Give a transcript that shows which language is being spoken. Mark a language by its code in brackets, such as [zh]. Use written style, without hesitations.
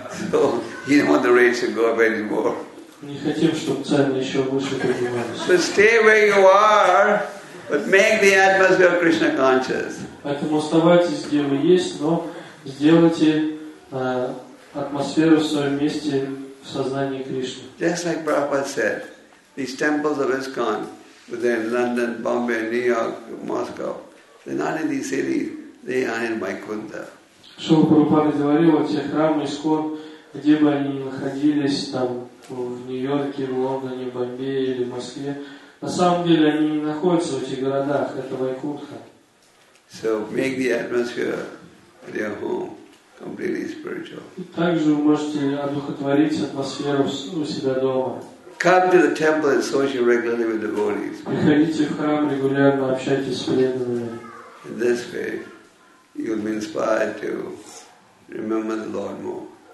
[en] So he didn't want the rates to go up anymore. [ru] Не хотим, чтобы цены еще выше поднимались. [en] But stay where you are, but make the atmosphere of Krishna conscious. [ru] Поэтому оставайтесь, где вы есть, но сделайте атмосферу в своем месте в сознании Кришны. [en] Just like Prabhupada said, these temples of ISKCON, within London, Bombay, New York, Moscow, they're not in these cities, they are in Vaikuntha. [ru] Шрила Прабхупада говорил, те храмы ИСККОН, где бы они ни находились, там, в Нью-Йорке, в Лондоне, Бомбее или Москве, на самом деле они не находятся в этих городах, это Вайкунтха. [en] So make the atmosphere at your home completely spiritual. [ru] Также вы можете одухотворить атмосферу у себя дома. [en] Come to the temple and associate regularly with devotees. [ru] Приходите в храм регулярно, общайтесь с преданными. [en] In this way, you'll be inspired to remember the Lord more.